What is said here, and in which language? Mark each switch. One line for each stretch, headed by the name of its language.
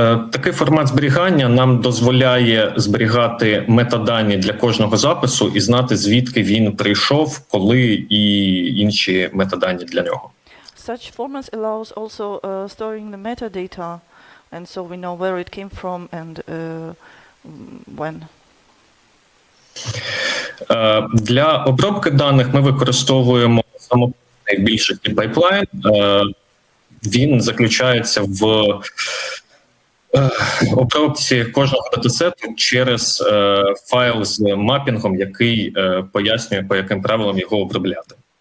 Ukrainian: Такий формат зберігання нам дозволяє зберігати метадані для кожного запису і знати, звідки він прийшов, коли і інші метадані для нього.
English: Such formats allows also storing the metadata, and so we know where it came from and when.
Ukrainian: Для обробки даних ми використовуємо самопроводний більший пайплайн. Він заключається в обробці кожного датасету через файл з мапінгом, який пояснює, по яким правилам його обробляти.